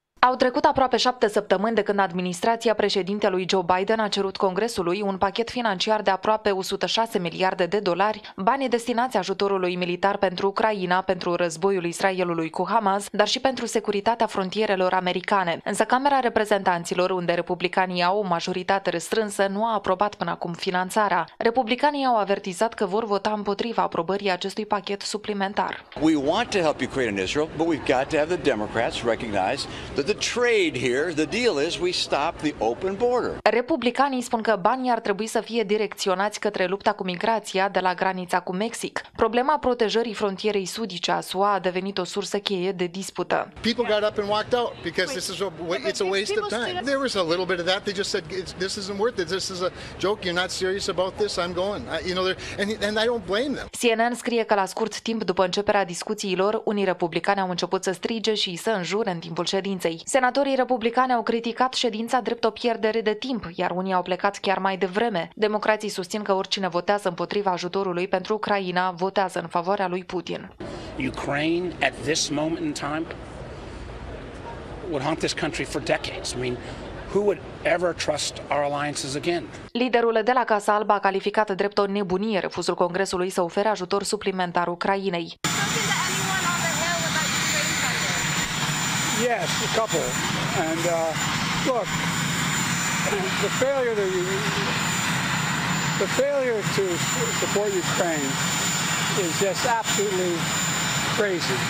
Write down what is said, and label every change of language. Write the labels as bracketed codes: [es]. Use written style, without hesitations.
[ro] Au trecut aproape 7 săptămâni de când administrația președintelui Joe Biden a cerut Congresului un pachet financiar de aproape 106 miliarde de dolari, banii destinați ajutorului militar pentru Ucraina, pentru războiul Israelului cu Hamas, dar și pentru securitatea frontierelor americane. Însă Camera Reprezentanților, unde republicanii au o majoritate restrânsă, nu a aprobat până acum finanțarea. Republicanii au avertizat că vor vota împotriva aprobării acestui pachet suplimentar. [en] We want to help Ukraine and Israel, but we've got to have the Democrats recognize the trade here, the deal is we stop the open border. [ro] Republicanii spun că banii ar trebui să fie direcționați către lupta cu migrația de la granița cu Mexic. Problema protejării frontierei sudice a SUA a devenit o sursă cheie de dispută. [en] People got up and walked out because this is it's a waste of time. There was a little bit of that. They just said this isn't worth it. This is a joke. You're not serious about this. I'm going. And I don't blame them. [ro] CNN scrie că la scurt timp după începerea discuțiilor, unii republicani au început să strige și să înjure în timpul ședinței. Senatorii republicani au criticat ședința drept o pierdere de timp, iar unii au plecat chiar mai devreme. Democrații susțin că oricine votează împotriva ajutorului pentru Ucraina votează în favoarea lui Putin. [en] Ukraine at this moment in time would haunt this country for decades. I mean, who would ever trust our alliances again? [ro] Liderul de la Casa Albă a calificat drept o nebunie refuzul Congresului să ofere ajutor suplimentar Ucrainei. [en] Yes, a couple. And look, the failure to support Ukraine is just absolutely crazy.